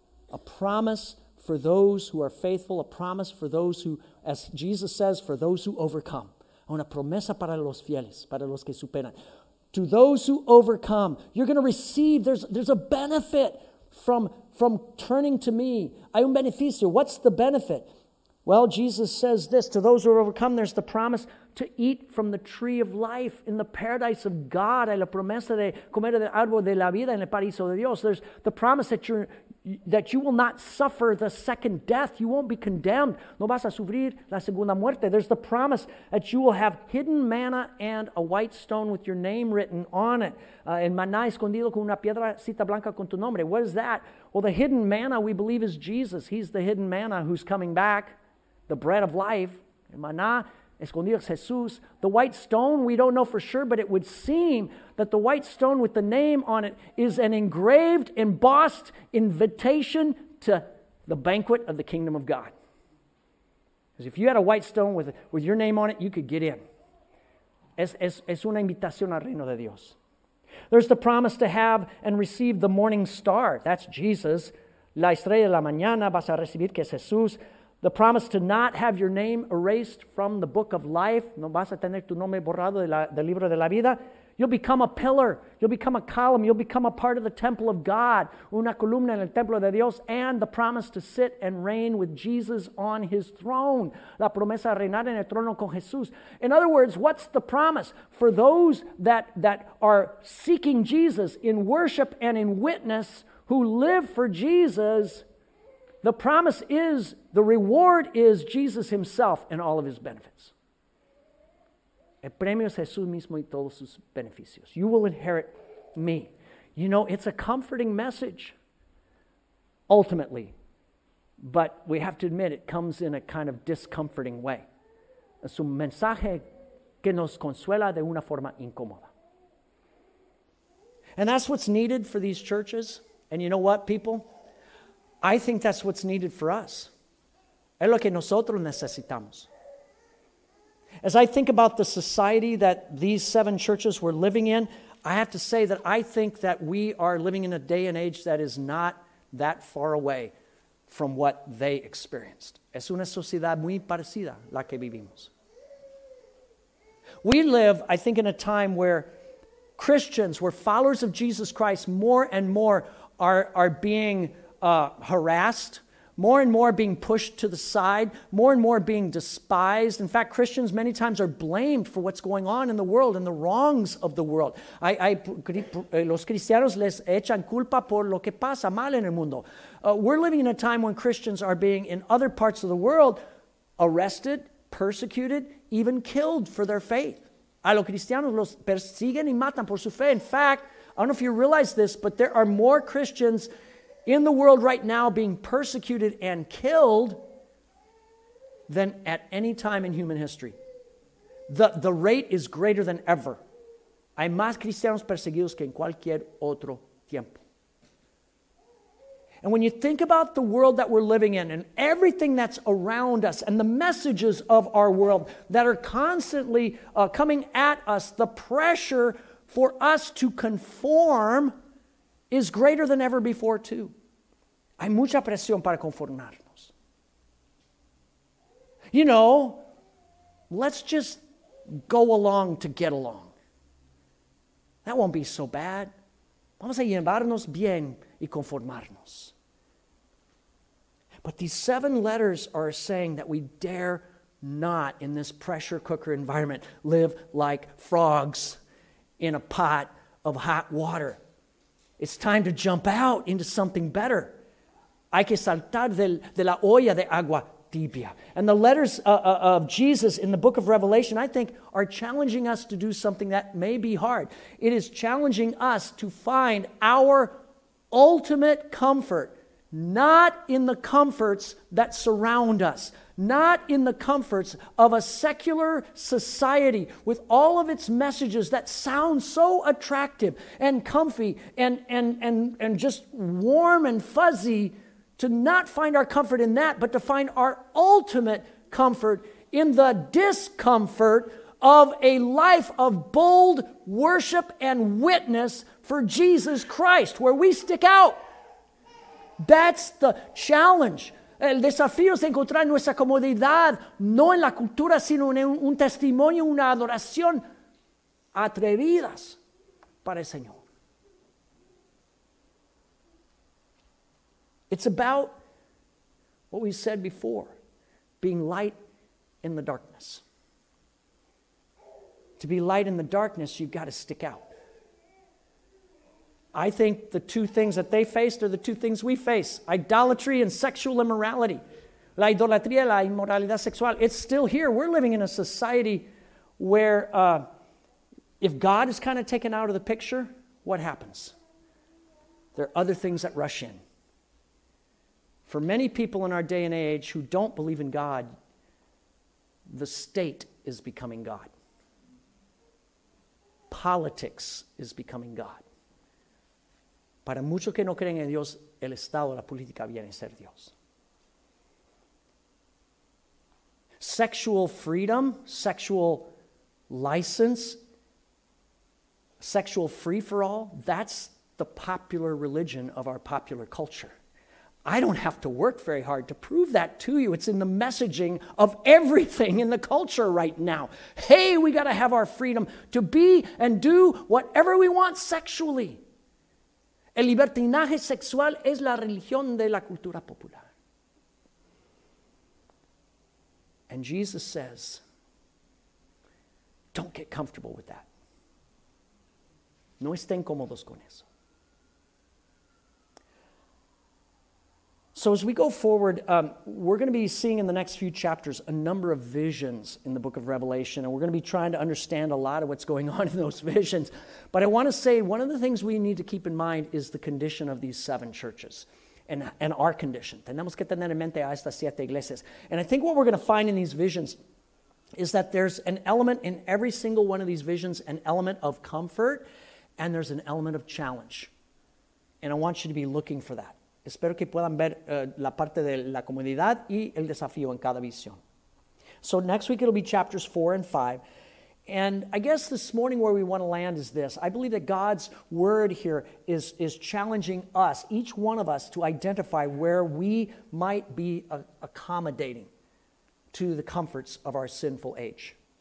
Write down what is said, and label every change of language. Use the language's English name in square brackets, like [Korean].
[English] A promise for those who are faithful, a promise for those who, as Jesus says, for those who overcome. [Spanish] Una promesa para los fieles, para los que superan. [English] To those who overcome, you're going to receive, there's a benefit from turning to me. [Spanish] Hay un beneficio. [English] What's the benefit? Well, Jesus says this, to those who overcome, there's the promise to eat from the tree of life in the paradise of God. [Spanish] Hay la promesa de comer del árbol de la vida en el paraíso de Dios. [English] There's the promise that you will not suffer the second death. You won't be condemned. [Spanish] No vas a sufrir la segunda muerte. [English] There's the promise that you will have hidden manna and a white stone with your name written on it. [Spanish] En maná escondido con una piedra cita blanca con tu nombre. [English] What is that? Well, the hidden manna, we believe, is Jesus. He's the hidden manna who's coming back. The bread of life. [Spanish] En maná escondido Jesús. [English] The white stone, we don't know for sure, but it would seem that the white stone with the name on it is an engraved, embossed invitation to the banquet of the kingdom of God. Because if you had a white stone with your name on it, you could get in. [Spanish] Es una invitación al reino de Dios. [English] There's the promise to have and receive the morning star. That's Jesus. [Spanish] La estrella de la mañana vas a recibir, que es Jesús. [English] The promise to not have your name erased from the book of life. [Spanish] No vas a tener tu nombre borrado del libro de la vida. [English] You'll become a pillar. You'll become a column. You'll become a part of the temple of God. [Spanish] Una columna en el templo de Dios. [English] And the promise to sit and reign with Jesus on his throne. [Spanish] La promesa de reinar en el trono con Jesús. [English] In other words, what's the promise? For those that are seeking Jesus in worship and in witness, who live for Jesus, the promise is, the reward is Jesus himself and all of his benefits. [Spanish] El premio es Jesús mismo y todos sus beneficios. [English] You will inherit me. You know, it's a comforting message, ultimately. But we have to admit, it comes in a kind of discomforting way. [Spanish] Es un mensaje que nos consuela de una forma incómoda. [English] And that's what's needed for these churches. And you know what, people? I think that's what's needed for us. [Spanish] Es lo que nosotros necesitamos. [English] As I think about the society that these seven churches were living in, I have to say that I think that we are living in a day and age that is not that far away from what they experienced. [Spanish] Es una sociedad muy parecida la que vivimos. [English] We live, I think, in a time where Christians, where followers of Jesus Christ more and more are being harassed more and more being pushed to the side, more and more being despised. In fact, Christians many times are blamed for what's going on in the world and the wrongs of the world. [Spanish] Los cristianos les echan culpa por lo que pasa mal en el mundo. [English] We're living in a time when Christians are being, in other parts of the world, arrested, persecuted, even killed for their faith. [Spanish] A los cristianos los persiguen y matan por su fe. [English] In fact, I don't know if you realize this, but there are more Christians in the world right now being persecuted and killed than at any time in human history. The rate is greater than ever. [Spanish] Hay más cristianos perseguidos que en cualquier otro tiempo. [English] And when you think about the world that we're living in and everything that's around us and the messages of our world that are constantly coming at us, the pressure for us to conform is greater than ever before too. [Spanish] Hay mucha presión para conformarnos. [English] You know, let's just go along to get along. That won't be so bad. [Spanish] Vamos a llevarnos bien y conformarnos. [English] But these seven letters are saying that we dare not, in this pressure cooker environment, live like frogs in a pot of hot water. It's time to jump out into something better. [Spanish] Hay que saltar de la olla de agua tibia. [English] And the letters of Jesus in the book of Revelation, I think, are challenging us to do something that may be hard. It is challenging us to find our ultimate comfort, not in the comforts that surround us, not in the comforts of a secular society with all of its messages that sound so attractive and comfy and just warm and fuzzy, to not find our comfort in that, but to find our ultimate comfort in the discomfort of a life of bold worship and witness for Jesus Christ, where we stick out. That's the challenge. [Spanish] El desafío es encontrar nuestra comodidad, no en la cultura, sino en un testimonio, una adoración atrevidas para el Señor. [English] It's about what we said before, being light in the darkness. To be light in the darkness, you've got to stick out. I think the two things that they faced are the two things we face: idolatry and sexual immorality. [Spanish] La idolatría, la inmoralidad sexual. [English] It's still here. We're living in a society where if God is kind of taken out of the picture, what happens? There are other things that rush in. For many people in our day and age who don't believe in God, the state is becoming God. Politics is becoming God. [Spanish] Para muchos que no creen en Dios, el Estado, la política viene a ser Dios. [English] Sexual freedom, sexual license, sexual free-for-all, that's the popular religion of our popular culture. I don't have to work very hard to prove that to you. It's in the messaging of everything in the culture right now. Hey, we got to have our freedom to be and do whatever we want sexually. [Spanish] El libertinaje sexual es la religión de la cultura popular. [English] And Jesus says, don't get comfortable with that. [Spanish] No estén cómodos con eso. [English] So as we go forward, we're going to be seeing in the next few chapters a number of visions in the book of Revelation, and we're going to be trying to understand a lot of what's going on in those visions. But I want to say one of the things we need to keep in mind is the condition of these seven churches and our condition. [Spanish] Tenemos que tener en mente a estas siete iglesias. [English] And I think what we're going to find in these visions is that there's an element in every single one of these visions, an element of comfort, and there's an element of challenge. And I want you to be looking for that. [Spanish] Espero que puedan ver la parte de la comodidad y el desafío en cada visión. [English] So next week it'll be chapters 4 and 5. And I guess this morning where we want to land is this. I believe that God's word here is challenging us, each one of us, to identify where we might be accommodating to the comforts of our sinful age.